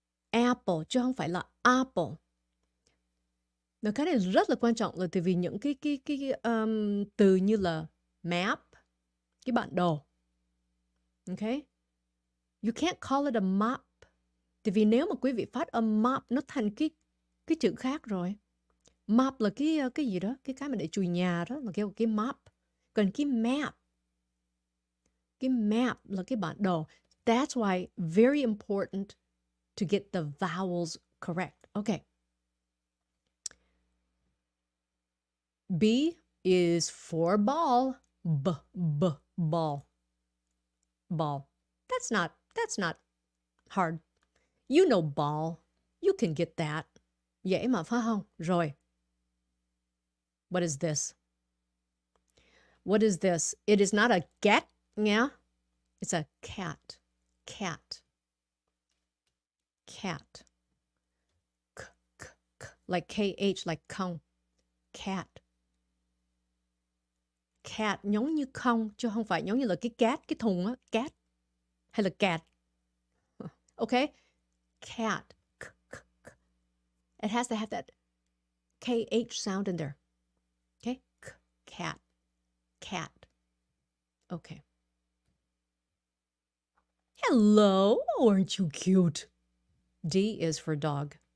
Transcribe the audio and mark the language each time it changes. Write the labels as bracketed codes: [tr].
[vi] Apple, chứ không phải là apple. Nó cái này rất là quan trọng là từ vì những cái từ như là map, cái bản đồ. Okay? [en] You can't call it a map. [vi] Tại vì nếu mà quý vị phát âm map nó thành cái chữ khác rồi. Map là cái gì đó, cái mà để chùi nhà đó, là cái map. Còn cái map. Cái map là cái bản đồ. [en] That's why very important to get the vowels correct. Okay. B is for ball. B, b, ball. Ball. That's not hard. You know ball. You can get that. [vi] Dễ mà, phải không? Rồi. [en] What is this? It is not a get, yeah? It's a cat. Cat. Cat. K, k, k. Like K-H, like kong. Cat. [vi] Cat, giống như không, chứ không phải giống như là cái cat, cái thùng á, cat, hay là cat. [en] Okay? Cat. K, k, k. It has to have that KH sound in there. Okay? K, cat. Cat. Okay. Hello, aren't you cute? D is for dog.